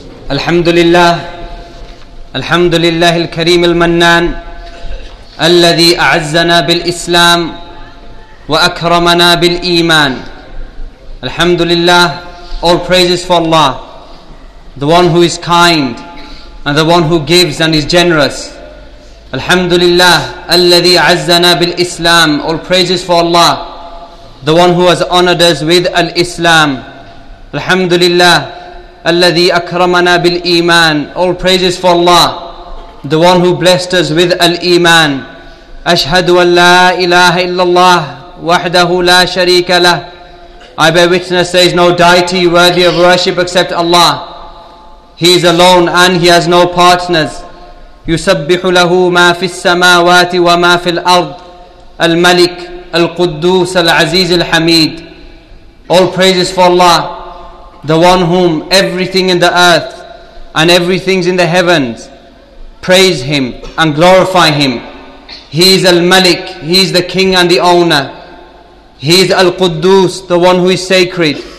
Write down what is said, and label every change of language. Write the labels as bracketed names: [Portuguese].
[Arabic] الحمد لله الحمد لله الكريم المنان الذي أعزنا بالإسلام وأكرمنا بالإيمان. الحمد لله, [English] all praises for Allah, the one who is kind and the one who gives and is generous. [Arabic] الحمد لله الذي أعزنا بالإسلام, [English] all praises for Allah, the one who has honored us with al-Islam. [Arabic] الحمد لله الذي أكرمنا بالإيمان, [English] all praises for Allah, the one who blessed us with al-Iman. [Arabic] أشهد أن لا إله إلا الله وحده لا شريك له. [English] I bear witness there is no deity worthy of worship except Allah. He is alone and He has no partners. [Arabic] يسبح له ما في السماوات وما في الأرض الملك القدوس العزيز الحميد. [English] All praises for Allah, the one whom everything in the earth and everything's in the heavens praise Him and glorify Him. He is Al-Malik, He is the King and the Owner. He is Al-Quddus, the one who is sacred.